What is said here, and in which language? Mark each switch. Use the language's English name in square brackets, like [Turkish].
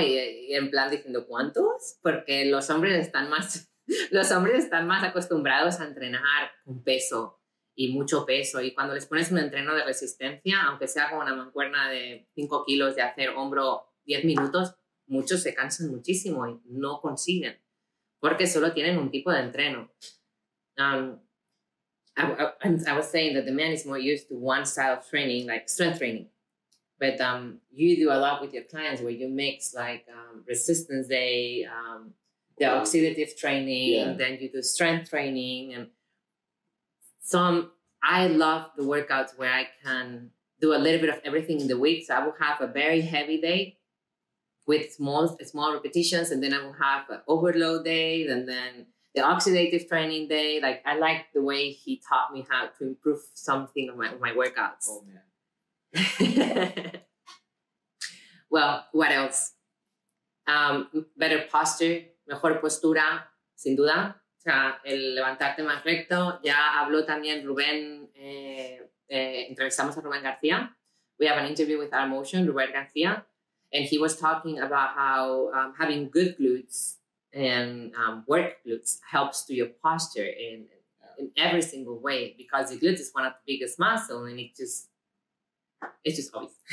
[Spanish] Y en plan diciendo, ¿cuántos? Porque los hombres están más acostumbrados a entrenar con peso. Y mucho peso. Y cuando les pones un entreno de resistencia, aunque sea con una mancuerna de 5 kilos de hacer hombro 10 minutos, muchos se cansan muchísimo y no consiguen. Porque solo tienen un tipo de entreno. [English] I was saying that the man is more used to one style of training, like strength training. But you do a lot with your clients where you mix like resistance day, the oxidative training, yeah. Then you do strength training and some, I love the workouts where I can do a little bit of everything in the week. So I will have a very heavy day with small repetitions, and then I will have an overload day, and then the oxidative training day. Like, I like the way he taught me how to improve something of my workouts. Oh, man. Well, what else? Better posture, [Spanish] mejor postura, sin duda. O sea, el levantarte más recto, ya habló también Rubén, entrevistamos a Rubén García. [English] We have an interview with our motion, Rubén García, and he was talking about how having good glutes and work glutes helps to your posture in every single way, because the glutes is one of the biggest muscles, and it's just obvious.